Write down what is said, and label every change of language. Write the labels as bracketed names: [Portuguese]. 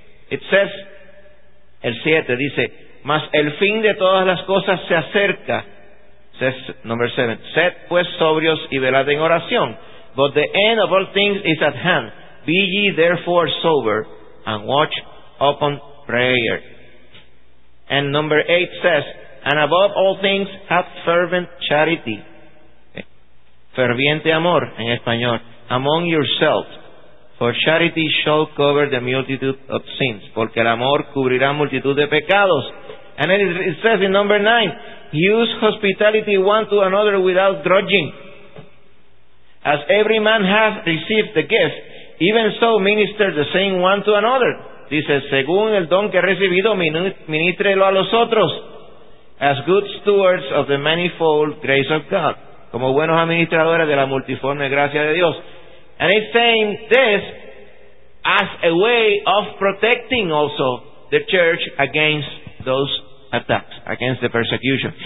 [English] It says, [Spanish] el 7 dice, mas el fin de todas las cosas se acerca. [English] Number 7. [Spanish] Sed pues sobrios y velad en oración. [English] But the end of all things is at hand. Be ye therefore sober and watch upon prayer. And number 8 says, and above all things have fervent charity. Okay. [Spanish] Ferviente amor en español. [English] Among yourselves. For charity shall cover the multitude of sins. [Spanish] Porque el amor cubrirá multitud de pecados. [English] And then it says in number 9. Use hospitality one to another without grudging. As every man hath received the gift, even so minister the same one to another. [Spanish] Dice, según el don que ha recibido, ministrelo a los otros. [English] As good stewards of the manifold grace of God. [Spanish] Como buenos administradores de la multiforme gracia de Dios. [English] And it's saying this as a way of protecting also the church against those attacks, against the persecution.